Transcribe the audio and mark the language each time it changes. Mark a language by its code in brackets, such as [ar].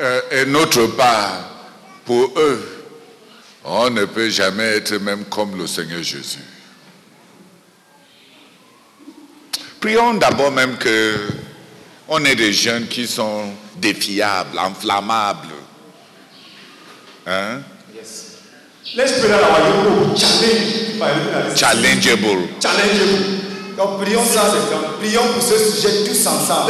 [fr] Et notre part, pour eux, on ne peut jamais être même comme le Seigneur Jésus. Prions d'abord même que on ait des jeunes qui sont défiables, enflammables. Hein? [en] Yes. Let's pray that our youth will be challengeable. Challengeable. Challengeable. [fr] Donc prions ça, prions pour ce sujet tous ensemble.